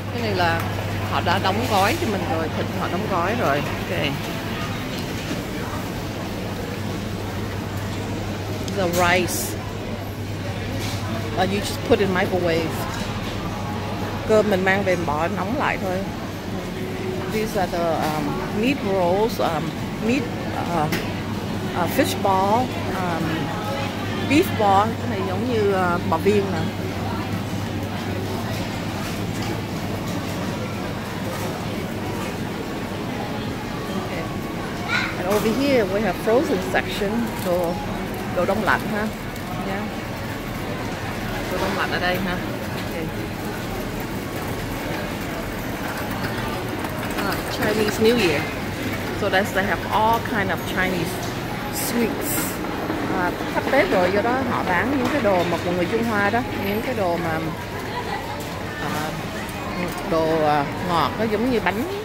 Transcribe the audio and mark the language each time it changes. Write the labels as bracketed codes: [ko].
[vi] Cái này là họ đã đóng gói cho mình rồi, thịt họ đóng gói rồi, okay. [en] The rice you just put in microwave. [vi] Cơm mình mang về bỏ nóng lại thôi. [en] These are the meat rolls, meat fish ball, beef ball. [vi] Cái này giống như bò viên nè. [en] Okay. And over here we have frozen section, so [vi] đồ đông lạnh ha, nha. Đồ đông lạnh ở đây ha. [en] Okay. Chinese New Year, so that's they have all kind of Chinese sweets. [vi] Sắp Tết rồi, do đó họ bán những cái đồ mà của người Trung Hoa đó, những cái đồ mà đồ ngọt, nó giống như bánh.